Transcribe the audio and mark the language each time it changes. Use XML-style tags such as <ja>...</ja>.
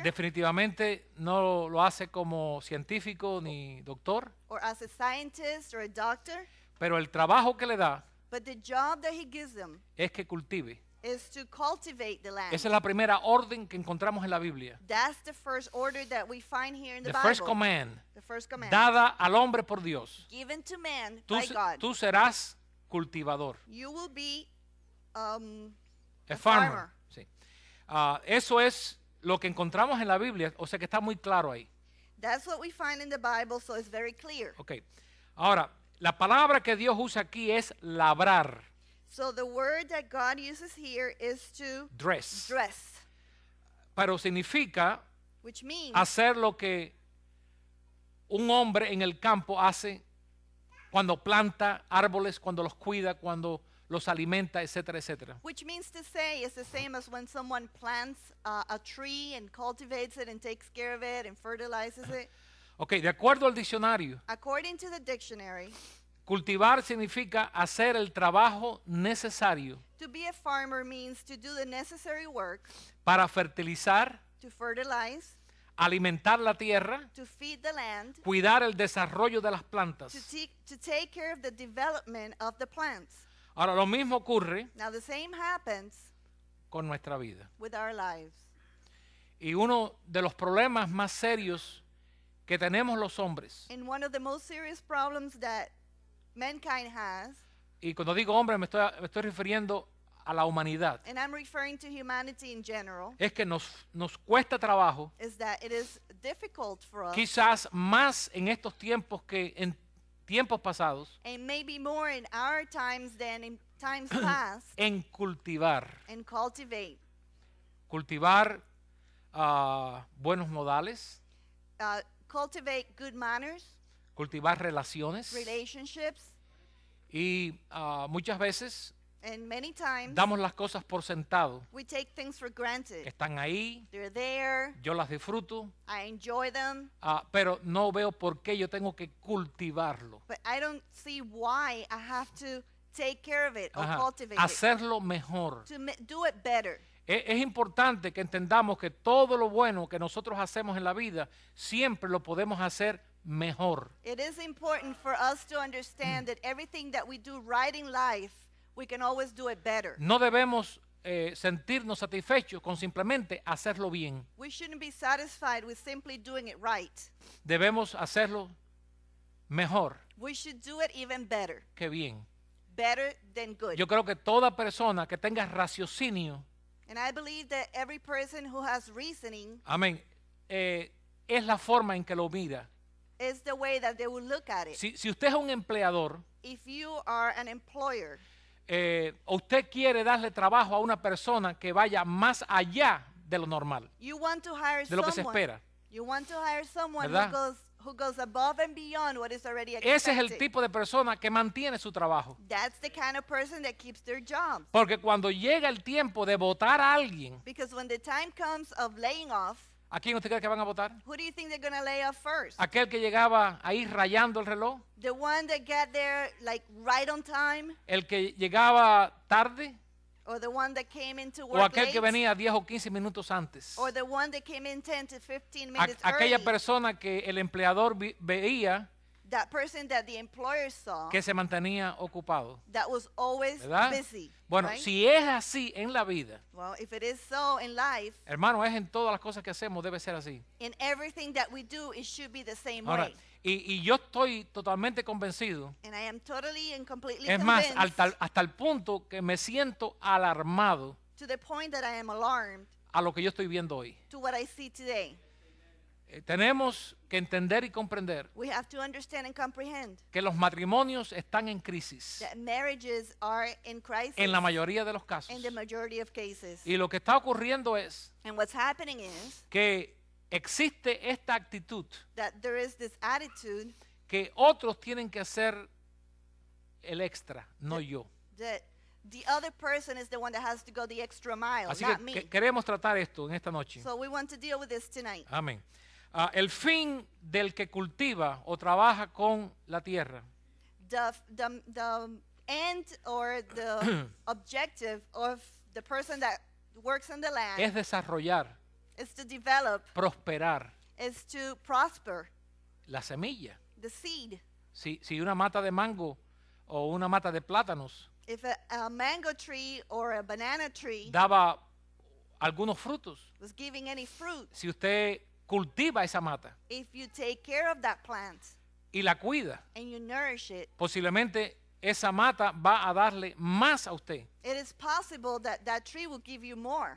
<es>Definitivamente no lo hace como científico ni doctor.</es> <en>Or as a scientist or a doctor.</en> <es>Pero el trabajo que le da,</es> <en>but the job that he gives them,</en> <es>es que cultive,</es> <en>is to cultivate the land.</en> <es>Esa es la primera orden que encontramos en la Biblia.</es> <en>That's the first order that we find here in the Bible. First command, the first command,</en> <es>dada al hombre por Dios,</es> <en>given to man</en> <es>tú,</es> <en>by God.</en> <es>Tú serás cultivador.</es> <en>You will be a farmer. Sí.</en> <es>Eso es lo que encontramos en la Biblia, o sea que está muy claro ahí.</es> <en>That's what we find in the Bible, so it's very clear. Okay.</en> <es>Ahora, la palabra que Dios usa aquí es labrar.</es> <en>So the word that God uses here is to dress.</en> <es>Pero significa,</es> <en>which means,</en> <es>hacer lo que un hombre en el campo hace cuando planta árboles, cuando los cuida, cuando los alimenta, etcétera, etcétera.</es> <en>Which means to say is the same as when someone plants a tree and cultivates it and takes care of it and fertilizes it.</en> <es>Okay, de acuerdo al diccionario.</es> <en>According to the dictionary,</en> <es>cultivar significa hacer el trabajo necesario.</es> <en>To be a farmer means to do the necessary work.</en> <es>Para fertilizar.</es> <en>To fertilize.</en> <es>Alimentar la tierra.</es> <en>To feed the land.</en> <es>Cuidar el desarrollo de las plantas.</es> <en>To take care of the development of the plants.</en> <es>Ahora lo mismo ocurre.</es> <en>Now the same happens.</en> <es>Con nuestra vida.</es> <en>With our lives.</en> <es>Y uno de los problemas más serios que tenemos los hombres.</es> <en>In one of the most serious problems that mankind has.</en> <es>Y cuando digo hombre, me estoy refiriendo a la humanidad.</es> <en>And I'm referring to humanity in general.</en> <es>Es que nos cuesta trabajo.</es> <en>Is that it is difficult for us.</en> <es>Quizás más en estos tiempos que en tiempos pasados.</es> <en>And maybe more in our times than in times past.</en> <es>En cultivar.</es> <en>And cultivate.</en> <es>Cultivar buenos modales.</es> <en>Cultivate good manners.</en> <es>Cultivar relaciones.</es> <en>Relationships.</en> <es>Y muchas veces.</es> <en>And many times.</en> <es>Damos las cosas por sentado.</es> <en>We take things for granted.</en> <es>Están ahí.</es> <en>They're there.</en> <es>Yo las disfruto.</es> <en>I enjoy them.</en> <es>Pero no veo por qué yo tengo que cultivarlo.</es> <en>But I don't see why I have to take care of it or cultivate it.</en> <es>Hacerlo mejor.</es> <en>To do it better.</en> <es>Es importante que entendamos que todo lo bueno que nosotros hacemos en la vida siempre lo podemos hacer mejor.</es> <en>It is important for us to understand that everything that we do right in life, we can always do it better.</en> <es>No debemos sentirnos satisfechos con simplemente hacerlo bien.</es> <en>We shouldn't be satisfied with simply doing it right.</en> <es>Debemos hacerlo mejor.</es> <en>We should do it even better.</en> <es>Qué bien.</es> <en>Better than good.</en> <es>Yo creo que toda persona que tenga raciocinio.</es> <en>And I believe that every person who has reasoning,</en> <es>amen, es la forma en que lo mira.</es> <en>Is the way that they will look at it.</en> <es>Si usted es un empleador,</es> <en>if you are an employer,</en> <es>usted quiere darle trabajo a una persona que vaya más allá de lo normal,</es> <en>you want to hire</en> <es>de lo</es> <en>someone,</en> <es>que se espera.</es> <en>You want to hire someone, ¿verdad? who goes above and beyond what is already expected.</en> <es>Ese es el tipo de persona que mantiene su trabajo.</es> <en>That's the kind of person that keeps their job.</en> <es>Porque cuando llega el tiempo de votar a alguien,</es> <en>because when the time comes of laying off,</en> <es>¿a quién usted cree que van a votar?</es> <en>Who do you think they're going to lay off first?</en> <es>¿Aquel que llegaba ahí rayando el reloj?</es> <en>The one that got there like right on time?</en> <es>¿El que llegaba tarde?</es> <en>Or the one that came into work late.</en> <es>O aquel</es> <en>late,</en> <es>que venía 10 o 15 minutos antes.</es> <en>Or the one that came in 10 to 15 minutes early.</en> <es>Aquella persona que el empleador veía</es> <en>that person that the employer saw,</en> <es>que se mantenía ocupado,</es> <en>that was always,</en> <es>¿verdad?,</es> <en>busy.</en> <es>Bueno,</es> <en>right?</en> <es>Si es así en la vida,</es> <en>well, if it is so in life,</en> <es>hermano, es en todas las cosas que hacemos, debe ser así.</es> <en>In everything that we do, it should be the same</en> <es>ahora,</es> <en>way.</en> <es>Y yo estoy totalmente convencido.</es> <en>And I am totally and completely</en> <es>es</es> <en>convinced.</en> <es>Más, hasta el punto que me siento alarmado.</es> <en>To the point that I am alarmed.</en> <es>A lo que yo estoy viendo hoy.</es> <en>To what I see today.</en> <es>Tenemos que entender y comprender.</es> <en>We have to understand and comprehend.</en> <es>Que los matrimonios están en crisis.</es> <en>That marriages are in crisis.</en> <es>En la mayoría de los casos.</es> <en>In the majority of cases.</en> <es>Y lo que está ocurriendo es.</es> <en>And what's happening is.</en> <es>Que existe esta actitud.</es> <en>That there is this attitude.</en> <es>Que otros tienen que hacer el extra, no</es> <en>that,</en> <es>yo.</es> <en>That the other person is the one that has to go the extra mile,</en> <es>así que</es> <en>not me.</en> <es>Que queremos tratar esto en esta noche.</es> <en>So we want to deal with this tonight.</en> <es>Amén. El fin del que cultiva o trabaja con la tierra.</es> <en>The end or the objective of the person that works on the land.</en> <es>Es desarrollar.</es> <en>Is to develop.</en> <es>Prosperar.</es> <en>Is to prosper.</en> <es>La semilla.</es> <en>The seed.</en> <es>Si una mata de mango o una mata de plátanos.</es> <en>If a mango tree or a banana tree.</en> <es>Daba algunos frutos.</es> <en>Was giving any fruit.</en> <es>Si usted cultiva esa mata.</es> <en>If you take care of that plant,</en> <es>y la cuida.</es> <en>And you nourish it,</en> <es>posiblemente esa mata va a darle más a usted.</es> <en>It is possible that that tree will give you more.</en>